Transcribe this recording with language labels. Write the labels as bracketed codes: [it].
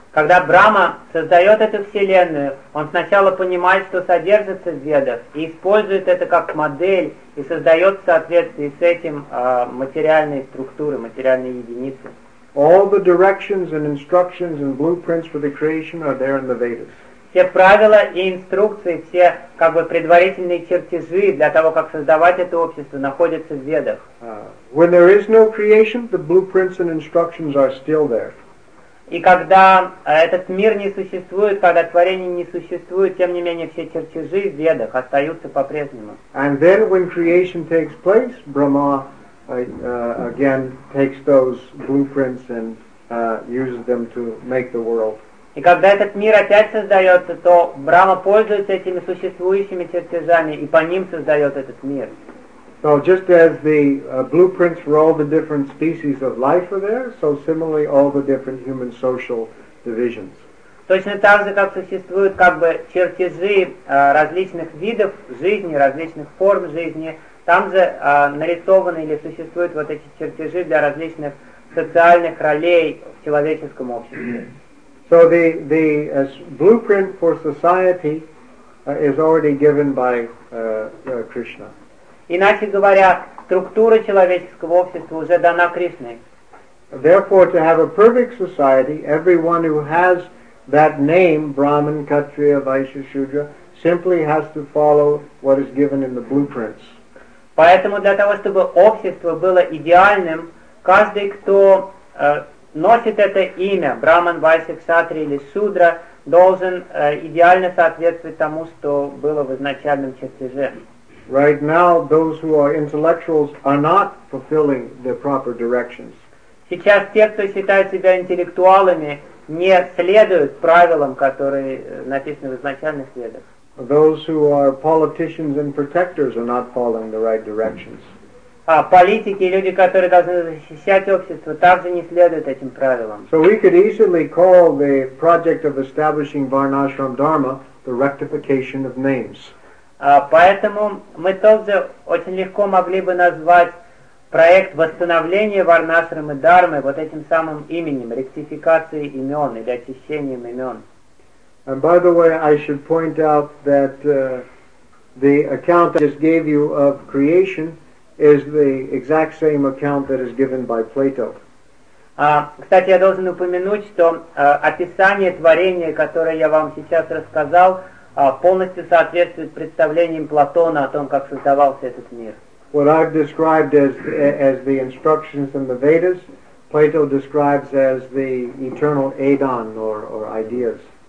[ru] Когда Брахма создает эту вселенную, он сначала понимает, что содержится в Ведах, и использует это как модель, и создает в соответствии с этим материальные структуры, материальные единицы. [en] All the directions and instructions and blueprints for the creation are there in the Vedas. [ru] Все правила и инструкции, все как бы предварительные чертежи для того, как создавать это общество, находятся в Ведах. [en] When there is no creation, the blueprints and instructions are still there. [ru] И когда этот мир не существует, когда творение не существует, тем не менее все чертежи в Ведах остаются по-прежнему. [en] And then when creation takes place, Brahma again takes those blueprints and uses them to make the world. [ru] И когда этот мир опять создается, то Брахма пользуется этими существующими чертежами и по ним создает этот мир. [en] So just as the blueprints for all the different species of life are there, so similarly all the different human social divisions. [ru] Точно так же, как существуют как бы чертежи различных видов жизни, различных форм жизни, там же нарисованы или существуют вот эти чертежи для различных социальных ролей в человеческом обществе. [en] So the blueprint for society is already given by Krishna. [ru] Иначе говоря, структура человеческого общества уже дана Кришной. [en] Therefore, to have a perfect society, everyone who has that name, Brahman, Kshatriya, Vaishya, Shudra, simply has to follow what is given in the blueprints. [ru] Поэтому для того, чтобы общество было идеальным, каждый, кто носит это имя, Brahman, Vaishya, Kshatriya или Shudra, должен идеально соответствовать тому, что было в изначальном чертеже. [en] Right now, those who are intellectuals are not fulfilling the proper directions. [ru] Сейчас те, кто считают себя интеллектуалами, не следуют правилам, которые написаны в изначальных ведах. [en] Those who are politicians and protectors are not following the right directions. [ru] А политики, люди, которые должны защищать общество, также не следуют этим правилам. [en] So we could easily call the project of establishing Varnashram Dharma the rectification of names. [ru] Поэтому мы тоже очень легко могли бы назвать проект восстановления Варнашрамы Дхармы вот этим самым именем, ректификацией имен или очищением имен. [en] And by the way, I should point out that the account I just gave you of creation is the exact same account that is given by Plato. [ru] Кстати, я должен упомянуть, что описание творения, которое я вам сейчас рассказал, полностью соответствует представлениям Платона о том, как создавался этот мир. [en] What I've described as the instructions in the Vedas, Plato describes as the eternal aidan or ideas.